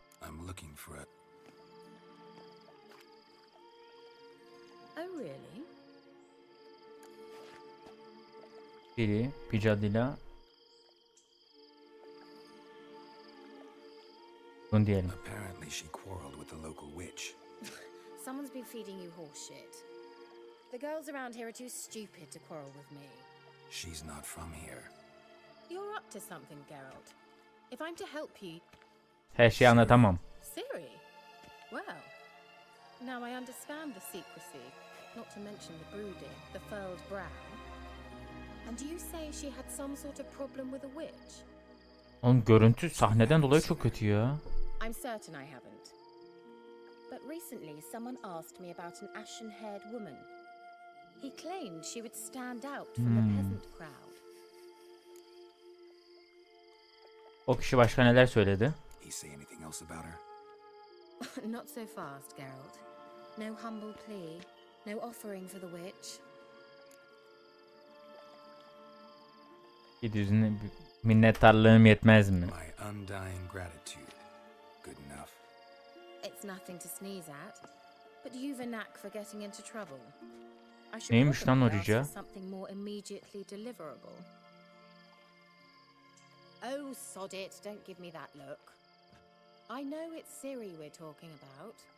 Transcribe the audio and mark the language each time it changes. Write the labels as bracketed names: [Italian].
[English] I'm looking for a... Oh really? [Turkish] Biri, bir cadıyla bunu diyelim. [English] Apparently she quarreled with the local witch. Someone's been feeding you horse shit. The girls around here are too stupid to quarrel with me. She's not from here. You're up to something, Geralt. If I'm to help you... [Turkish] Her şeyi anlatamam. [English] Ciri? Well, now I understand the secrecy. Not to mention the broody, the furled brow. And you say she had some sort of problem with a witch? [Turkish] Oğlum görüntü sahneden dolayı çok kötü ya. [English] I'm certain I haven't. But recently someone asked me about an ashen-haired woman. He claimed she would stand out from the peasant crowd. [Turkish] O kişi başka neler söyledi? [English] He say anything else about her? Not so fast, Geralt. No humble plea, no offering for the witch. [Turkish] Yüzüne minnettarlığım yetmez mi? [English] My undying gratitude. Good enough. It's nothing to sneeze at, but you've a knack for getting into trouble. I should. [Turkish] Neymiş lan o rica? [English] Something more immediately deliverable. Oh sod it, don't give me that look. I know it's Ciri we're talking about.